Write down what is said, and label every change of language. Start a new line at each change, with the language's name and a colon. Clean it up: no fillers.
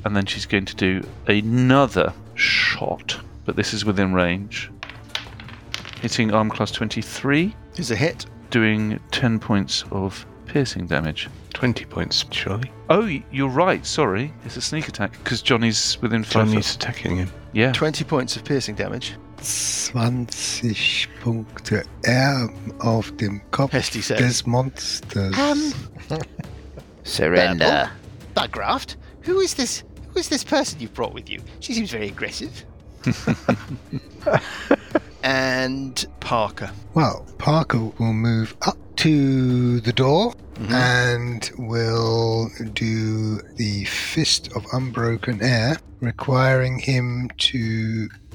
English: And then she's going to do another shot. But this is within range. Hitting arm class 23. Is a hit. Doing 10 points of piercing damage. 20 points, surely. Oh, you're right. Sorry. It's a sneak attack because Johnny's within 5. Johnny's attacking him. Yeah. 20 points of piercing damage.
German: 20 Punkte auf dem Kopf des Monsters.
English: Surrender. Buggraft, who is this? Who is this person you've brought with you? She seems very aggressive. And Parker. Well, Parker will move up to the door, mm-hmm. and will do the Fist of Unbroken Air, requiring him to...